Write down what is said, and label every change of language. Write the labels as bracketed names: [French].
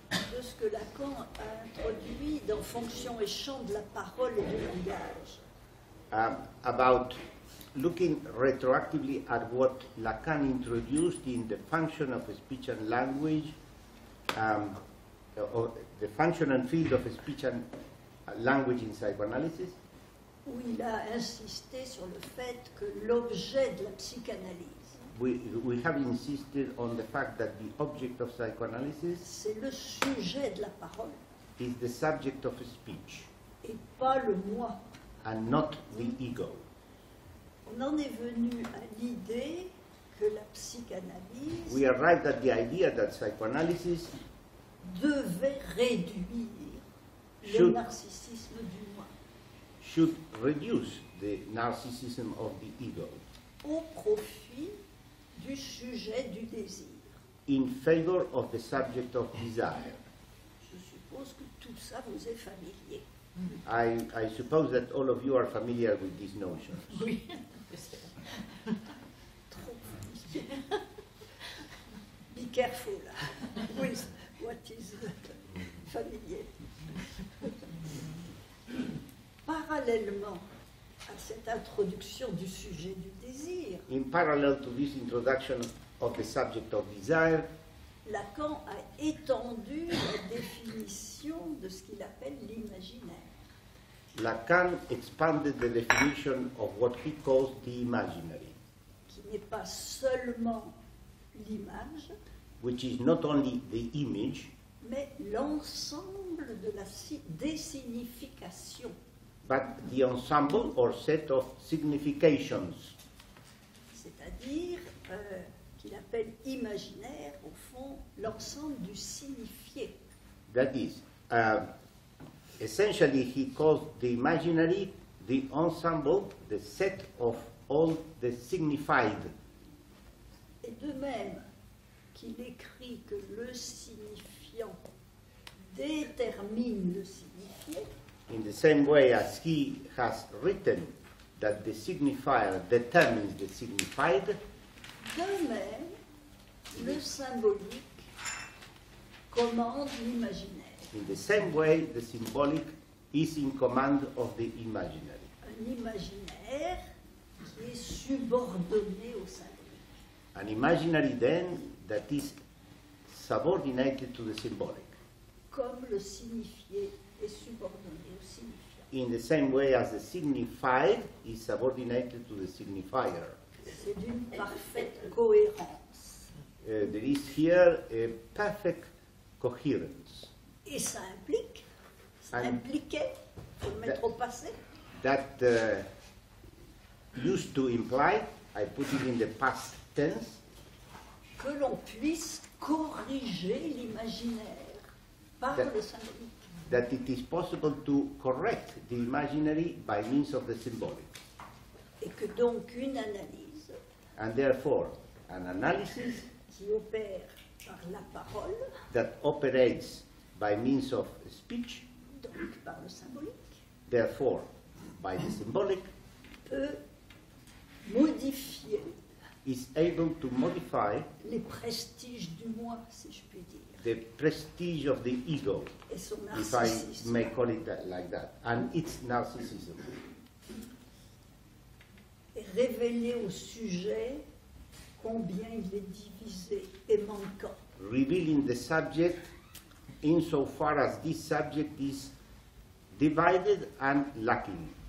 [French] De ce que Lacan a introduit dans Fonction et champ de la parole et du langage. [English] About looking retroactively at what Lacan introduced in the function of speech and language, or the function and field of speech and language in psychoanalysis. [French] Où il a insisté sur le fait que l'objet de la psychanalyse. [English] We have insisted on the fact that the object of psychoanalysis, [French] c'est le sujet de la parole, [English] is the subject of speech, [French] et pas le moi, [English] and not the ego. [French] On en est venu à l'idée que la psychanalyse, [English] we arrived at the idea that psychoanalysis, [French] devait réduire le narcissisme du moi, [English] should reduce the narcissism of the ego, [French] au profit du sujet du désir. [English] In favor of the subject of desire. [French] Je suppose que tout ça vous est familier. [English] I suppose that all of you are familiar with these notions. [French] Oui. Trop familier. [English] Be careful. What is familier? [French] Parallèlement à cette introduction du sujet du désir. [English] In parallel to this introduction of the subject of desire, [French] Lacan a étendu la définition de ce qu'il appelle l'imaginaire. [English] Lacan expanded the definition of what he calls the imaginary. [French] Qui n'est pas seulement l'image, [English] which is not only the image, [French] mais l'ensemble de la signification. [English] But the ensemble or set of significations. [French] C'est-à-dire qu'il appelle imaginaire, au fond, l'ensemble du signifié. [English] That is, essentially he calls the imaginary the ensemble, the set of all the signified. [French] Et de même qu'il écrit que le signifiant détermine le signifié, [English] in the same way as he has written that the signifier determines the signified, [French] de même, le symbolique commande l'imaginaire. [English] In the same way, the symbolic is in command of the imaginary. [French] Un imaginaire qui est subordonné au symbolique. [English] An imaginary, then, that is subordinated to the symbolic. [French] Comme le signifié est subordonné. [English] In the same way as the signified is subordinated to the signifier. [French] C'est d'une parfaite cohérence. [English] There is here a perfect coherence. [French] Et ça implique, c'est impliqué, pour le mettre au passé. [English] That used to imply, I put it in the past tense, [French] que l'on puisse corriger l'imaginaire par le symbolique. [English] that it is possible to correct the imaginary by means of the symbolic. [French] Et que donc une analyse, [English] and therefore, an analysis [French] qui opère par la parole, [English] that operates by means of speech, [French] donc par le symbolique, [English] therefore, by the symbolic, [French] peut modifier, [English] is able to modify [French] les prestiges du moi, si je puis dire. [English] The prestige of the ego, if I may call it that, like that, and its narcissism. [French] Et révéler au sujet combien il est divisé et manquant. [English] Revealing the subject insofar as this subject is divided and lacking.